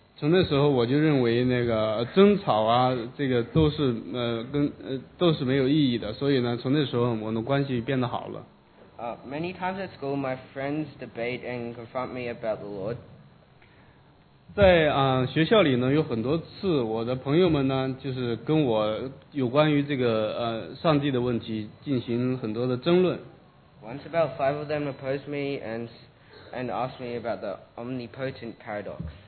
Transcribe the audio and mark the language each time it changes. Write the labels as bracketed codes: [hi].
[zh] 从那时候我就认为那个争吵啊，这个都是都是没有意义的。所以呢，从那时候我们的关系变得好了。 [en] Many times at school, my friends debate and confront me about the Lord. [zh] 在学校里呢，有很多次我的朋友们呢，就是跟我有关于这个上帝的问题进行很多的争论。 [en] Once about five of them opposed me and asked me about the omnipotent paradox.